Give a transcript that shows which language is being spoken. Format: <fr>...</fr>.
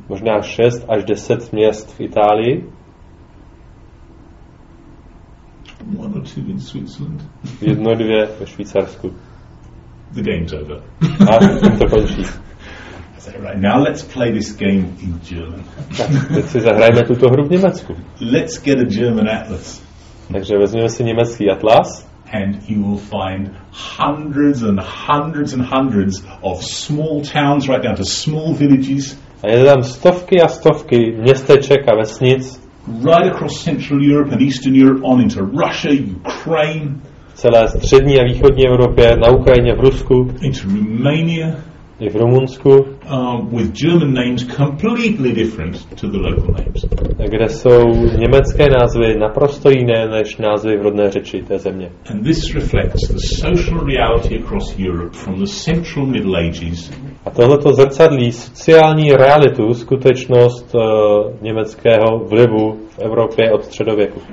<cs>Možná 6 až 10 měst v Itálii.</cs> <en>1 or 2 in Switzerland.</en> <cs>1 or 2 ve Švýcarsku.</cs> <en>The game's over.</en> <cs>A to končí.</cs> <en>Right, now let's play this game in German.</en> <cs>Tak si zahrajeme tuto hru v Německu.</cs> <en>Let's get a German atlas.</en> <cs>Takže vezmeme si německý atlas.</cs> <en>And you will find hundreds and hundreds and hundreds of small towns right down to small villages.</en> <cs>A je tam stovky a stovky městeček a vesnic.</cs> <en>Right across Central Europe and Eastern Europe on into Russia, Ukraine.</en> <cs>Celé střední a východní Evropě, na Ukrajině, v Rusku.</cs> <en>Into Romania.</en> <cs>I v Rumunsku.</cs> <en>With German names completely different to the local names.</en> <cs>Kde jsou německé názvy naprosto jiné než názvy v rodné řeči té země.</cs> <en>And this reflects the social reality across Europe from the central Middle Ages.</en> <cs>A tohleto zrcadlí sociální realitu, skutečnost německého vlivu v Evropě od středověku.</cs>